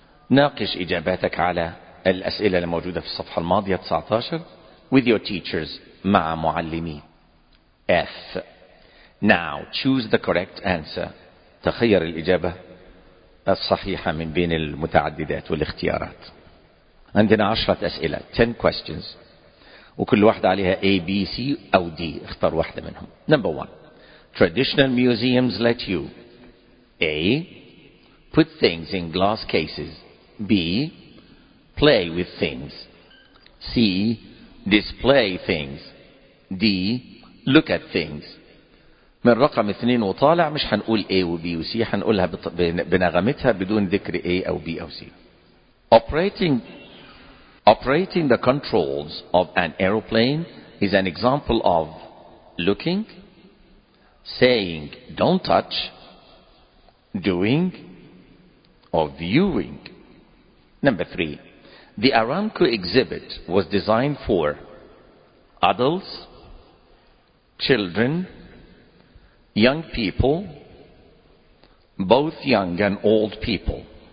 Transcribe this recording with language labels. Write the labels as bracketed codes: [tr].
[ar] ناقش إجاباتك على الأسئلة الموجودة في الصفحة الماضية 19 [en] with your teachers [ar] مع معلمي. [en] F. Now, choose the correct answer. [ar] تخير الإجابة الصحيحة من بين المتعددات والاختيارات. عندنا 10 أسئلة, [en] 10 questions, [ar] وكل واحدة عليها A, B, C أو D. اختار واحدة منهم. [en] Number 1. Traditional museums let you A. Put things in glass cases. B. Play with things. C. Display things. D. Look at things. [ar] من رقم 2 وطالع مش هنقول A و B و C, هنقولها بنغمتها بدون ذكر A أو B أو C. [en] Operating the controls of an aeroplane is an example of looking, saying, don't touch, doing, or viewing. Number three, the Aramco exhibit was designed for adults, children, young people, both young and old people.